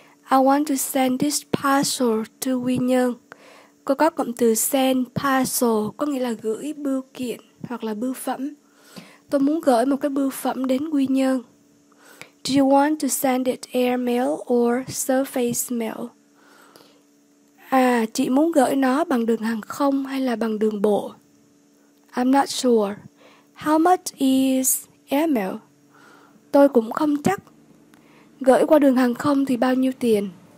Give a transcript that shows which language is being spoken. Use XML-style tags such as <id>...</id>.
<en>I want to send this parcel to Quy Nhơn.</en> <vi>Cô có cụm từ send parcel, có nghĩa là gửi bưu kiện hoặc là bưu phẩm. Tôi muốn gửi một cái bưu phẩm đến Quy Nhơn.</vi> <en>Do you want to send it airmail or surface mail?</en> <vi>À, chị muốn gửi nó bằng đường hàng không hay là bằng đường bộ?</vi> <en>I'm not sure. How much is airmail?</en> <vi>Tôi cũng không chắc. Gửi qua đường hàng không thì bao nhiêu tiền?</vi>